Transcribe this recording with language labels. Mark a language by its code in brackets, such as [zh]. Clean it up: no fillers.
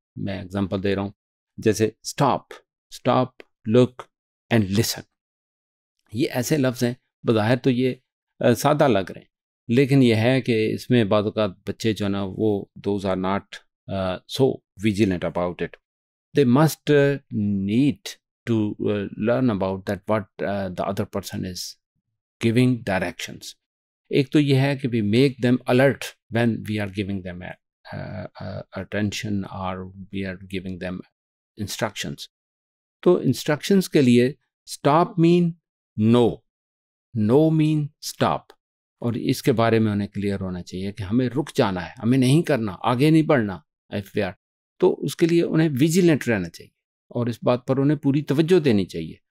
[ur] میں اگزامپل دے رہا ہوں, جیسے stop, stop, look and listen, یہ ایسے لفظ ہیں بظاہر تو یہ سادہ لگ رہے ہیں, لیکن یہ ہے کہ اس میں بعض اوقات بچے جو نا وہ [en] those are not so vigilant about it. They must need to learn about that what the other person is giving directions. [ur] ایک تو یہ ہے کہ [en] we make them alert when we are giving them attention or we are giving them instructions. [ur] تو instructions کے لیے stop mean no, no mean stop, اور اس کے بارے میں انہیں clear ہونا چاہیے کہ ہمیں رک جانا ہے, ہمیں نہیں کرنا, آگے نہیں بڑھنا. [en] If we are, [ur] تو اس کے لیے انہیں vigilant رہنا چاہیے اور اس بات پر انہیں پوری توجہ دینی چاہیے.